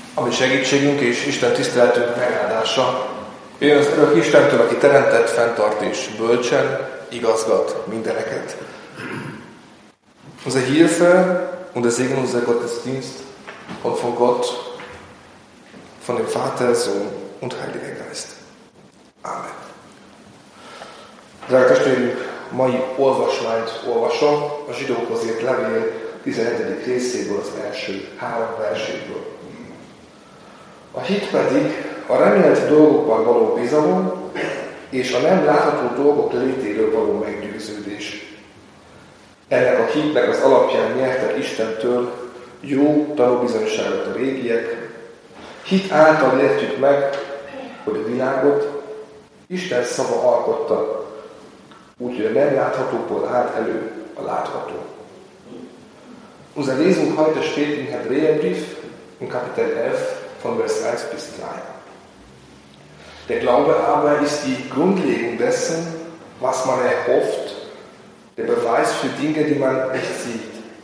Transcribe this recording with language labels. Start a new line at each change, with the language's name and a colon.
Hungarian: Segítségünk és Isten tiszteletünk megáldása. Jöjjön az örök Istentől, aki teremtett, fenntart és bölcsen, igazgat mindeneket.
German: Unsere Hilfe und der Segen unseres Gottesdienst kommt von Gott, von dem Vater, Sohn und Heiligen Geist. Amen.
Hungarian: Drága testvérünk, mai olvasmányt olvasom, a zsidókhoz írt levél 17. részéből, az első három verséből. A hit pedig a remélt dolgokban való bizalom és a nem látható dolgok létéről való meggyőződés. Ennek a hitnek az alapján nyerte Istentől jó tanúbizonyságot a régiek. Hit által értjük meg, hogy a világot Isten szava alkotta, úgyhogy a nem láthatóból állt elő a látható.
German: Unser Lesung heute steht in Hebräerbrief im Kapitel 11. von Vers 1 bis 3. Der Glaube aber ist die Grundlegung dessen, was man erhofft, der Beweis für Dinge, die man nicht sieht.